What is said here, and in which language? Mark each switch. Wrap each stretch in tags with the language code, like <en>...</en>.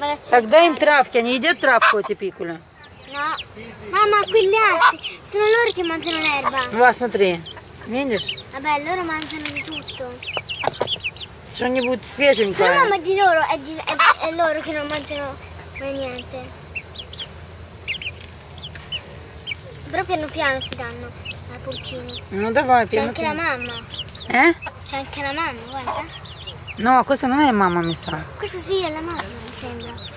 <ru>Так дай им травки, они едят травку эти пикули?</ru> <it>No. Mamma, quegli altri, sono loro che mangiano l'erba.</it> <ru>Va, смотри, видишь?</ru> <it>Vabbè, loro mangiano di tutto.</it> <ru>Что-нибудь свеженькое. Но мама для них, это</ru> <it>loro che non mangiano niente. Però piano piano si danno la pulcini.</it> <ru>Ну давай,</ru> <it>piano piano. C'è anche la mamma. Eh? C'è anche la mamma, guarda. No, questa non è mamma, mi sa. Questa sì, è la mamma, mi sembra.</it>